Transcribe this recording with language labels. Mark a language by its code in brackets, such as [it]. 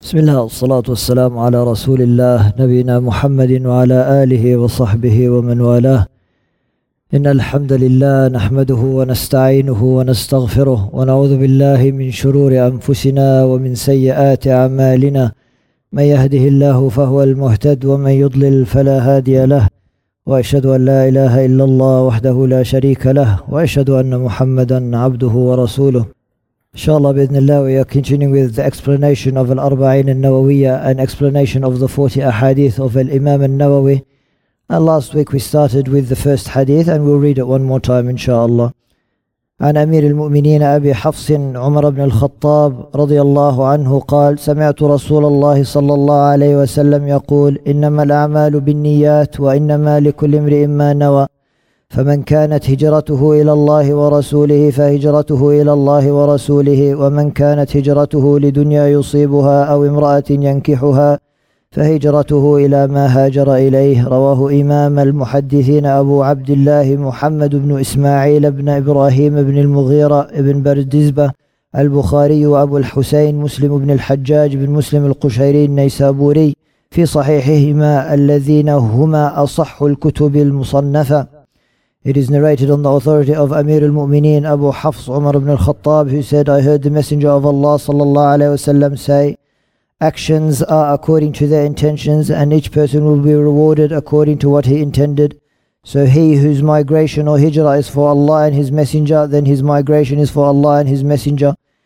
[ar] بسم الله والصلاة والسلام على رسول الله نبينا محمد وعلى آله وصحبه ومن والاه إن الحمد لله نحمده ونستعينه ونستغفره ونعوذ بالله من شرور أنفسنا ومن سيئات أعمالنا من يهده الله فهو المهتد ومن يضلل فلا هادي له وأشهد أن لا إله إلا الله وحده لا شريك له وأشهد أن محمدا عبده ورسوله [en] InshaAllah, bi'idhnillah, we are continuing with the explanation of al-Arba'in al-Nawawiyyah, an explanation of the 40 ahadith of al-Imam al-Nawawi. And last week we started with the first hadith, and we'll read it one more time, insha'Allah. [ar] An Amir al-Mu'mineen Abi Hafsin Umar ibn al-Khattab radiyallahu anhu qal, Sami'atu Rasulallah sallallahu alayhi wa sallam yaqul, Innama al-a'malu bin-niyyat wa innama likulli imri'in ma nawa. فمن كانت هجرته إلى الله ورسوله فهجرته إلى الله ورسوله ومن كانت هجرته لدنيا يصيبها أو امرأة ينكحها فهجرته إلى ما هاجر إليه رواه إمام المحدثين أبو عبد الله محمد بن إسماعيل بن إبراهيم بن المغيرة بن بردزبة البخاري وأبو الحسين مسلم بن الحجاج بن مسلم القشيري النيسابوري في صحيحهما الذين هما أصح الكتب المصنفة. [en] It is narrated on the authority of Amir al-Mu'mineen Abu Hafs Umar ibn al-Khattab, who said, I heard the Messenger of Allah sallallahu alayhi wa sallam say, actions are according to their intentions, and each person will be rewarded according to what he intended. So he whose migration or hijrah is for Allah and his Messenger, then his migration is for Allah and his Messenger.